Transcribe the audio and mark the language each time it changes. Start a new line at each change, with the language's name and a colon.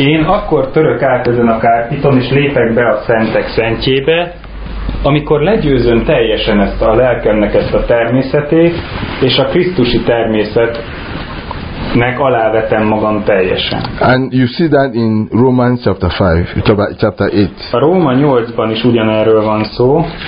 Hungarian: Én akkor török át ezen a kárpiton és lépek be a Szentek Szentjébe, amikor legyőzöm teljesen ezt a lelkemnek ezt a természetét, és a Krisztusi természetnek alávetem magam teljesen.
English: And you see that in Romans chapter 5, chapter 8.
Hungarian: A Róma 8-ban is ugyanerről van szó.